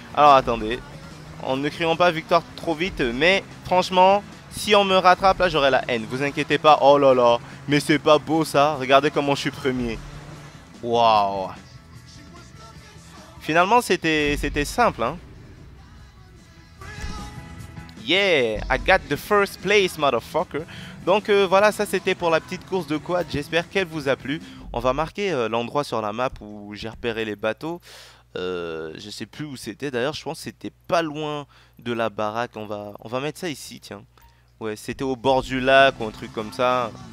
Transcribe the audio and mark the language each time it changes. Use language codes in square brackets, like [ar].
[fr] Alors attendez, en ne criant pas victoire trop vite. Mais franchement, si on me rattrape là j'aurai la haine. Vous inquiétez pas. Oh là là, mais c'est pas beau ça. Regardez comment je suis premier. Waouh. Finalement c'était simple hein. [en] Yeah, I got the first place motherfucker. [fr] Donc voilà, ça c'était pour la petite course de quad. J'espère qu'elle vous a plu. On va marquer l'endroit sur la map où j'ai repéré les bateaux. Je sais plus où c'était. D'ailleurs, je pense que c'était pas loin de la baraque. On va mettre ça ici, tiens. Ouais, c'était au bord du lac ou un truc comme ça.